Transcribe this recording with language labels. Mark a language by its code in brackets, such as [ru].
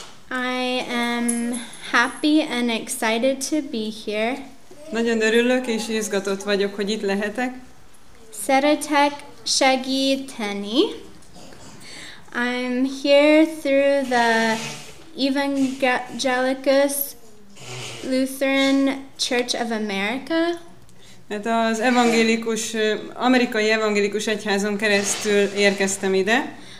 [en] I am happy and excited to be here. [hu] Nagyon örülök és izgatott vagyok, hogy itt lehetek. Szeretek segíteni. [en] I'm here through the Evangelicus Lutheran Church of America. [hu] Hát az evangélikus, amerikai evangélikus egyházon keresztül érkeztem ide.